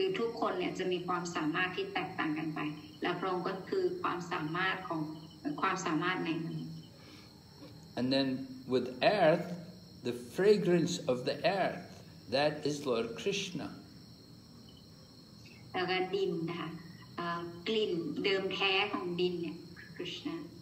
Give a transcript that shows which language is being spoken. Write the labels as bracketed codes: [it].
[th] คือทุกคนเนี่ยจะมีความสามารถที่แตกต่างกันไปและพระองค์ก็คือความสามารถของความสามารถในนั้น [en] And then with earth the fragrance of the earth that is Lord Krishna [th] แล้วก็ดินนะคะกลิ่นเดิมแท้ของดินเนี่ย Krishna